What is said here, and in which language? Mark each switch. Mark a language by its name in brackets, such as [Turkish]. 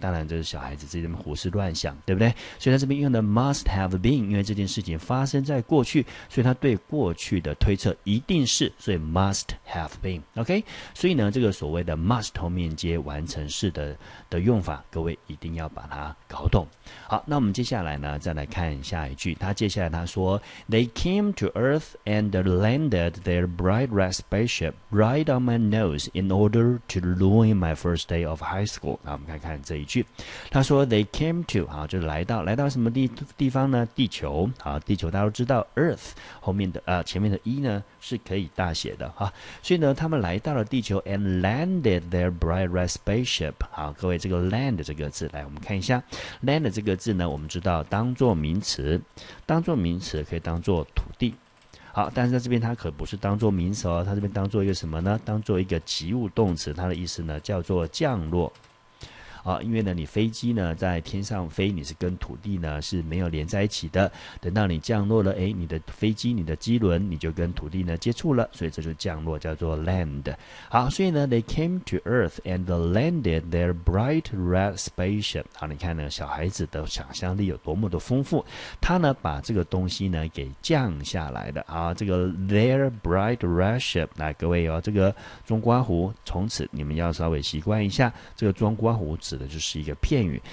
[Chinese] 当然这是小孩子自己胡思乱想，对不对？所以他这边用的 must have been， 因为这件事情发生在过去，所以他对过去的推测一定是，所以 must have been。 OK， 所以呢这个所谓的 must 后面接完成式的用法，各位一定要把它搞懂。好，那我们接下来呢再来看下一句，他接下来他说 [English] They came to earth and landed their bright red spaceship right on my nose in order to ruin my first day of high school。 [Chinese] 那我们看看这一句，他说 [English] They came to， [Chinese] 好，就来到什么 地方呢？地球。好，地球大家都知道 earth 后面的前面的 e 呢是可以大写的哈，所以呢他们来到了地球 [English] and landed their bright red spaceship。 [Chinese] 好，各位，这个 land 这个字，来我们看一下 land 这个字呢，我们知道当作名词可以当作土地。好，但是在这边它可不是当作名词哦，它这边当作一个什么呢？当作一个及物动词，它的意思呢叫做降落。好，因为呢你飞机呢在天上飞，你是跟土地呢是没有连在一起的，等到你降落了，哎，你的飞机，你的机轮，你就跟土地呢接触了，所以这就降落，叫做 land。好，所以呢 [English] they came to earth and landed their bright red spaceship。 [Chinese] 好，你看呢小孩子的想象力有多么的丰富，他呢把这个东西呢给降下来的啊，这个 [English] their bright red ship。 [Chinese] 来，各位哦，这个中刮胡从此你们要稍微习惯一下，这个中刮胡指的就是一个片语。